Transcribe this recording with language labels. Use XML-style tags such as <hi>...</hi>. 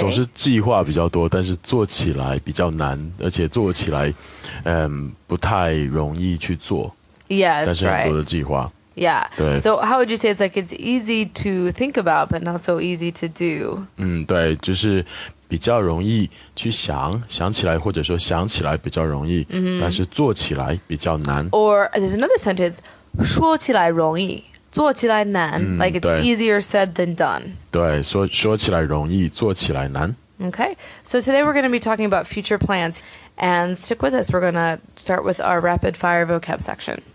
<zh>总是计划比较多, 但是做起来比较难, 而且做起来, 不太容易去做,</zh> <en>yeah, that's right.</en> <zh>但是很多的计划,</zh> <en>yeah. So how would you say it's like it's easy to think about, but not so easy to do?</en> <zh>对, 就是比较容易去想, 想起来, 或者说想起来比较容易, mm-hmm. 但是做起来比较难。</zh> <en>Or there's another sentence,</en> <zh>说起来容易。做起来难,</zh> <en>like it's</en> <zh>对,</zh> <en>easier said than done.</en> <zh>对,说起来容易,做起来难.</zh> <en>Okay, so today we're going to be talking about future plans. And stick with us, we're going to start with our rapid fire vocab section.</en>